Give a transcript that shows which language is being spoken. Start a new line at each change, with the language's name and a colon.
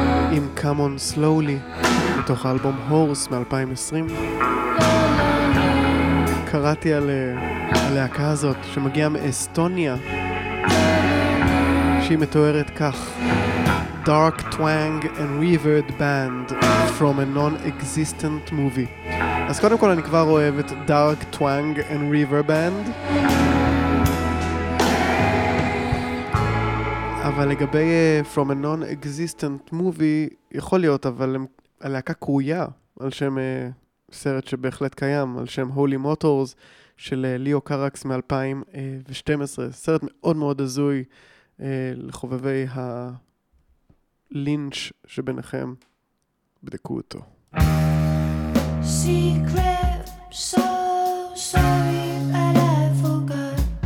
Hebrew: עם Come On Slowly מתוך האלבום הורס מ-2020. קראתי על הלהקה הזאת שמגיעה מאסטוניה, שהיא מתוארת כך:
English: Dark Twang and Revered Band from a non-existent movie.
Hebrew: אז קודם כל אני כבר אוהב את
English: Dark Twang and Revered Band,
Hebrew: אבל לגבי
English: From a Non-Existent Movie,
Hebrew: יכול להיות, אבל הלהקה קרויה על שם סרט שבהחלט קיים, על שם Holy Motors של ליאו קראקס מ-2012. סרט מאוד מאוד עזוי לחובבי הלינץ' שביניכם. בדקו אותו.
English: Secret, so sorry that I forgot.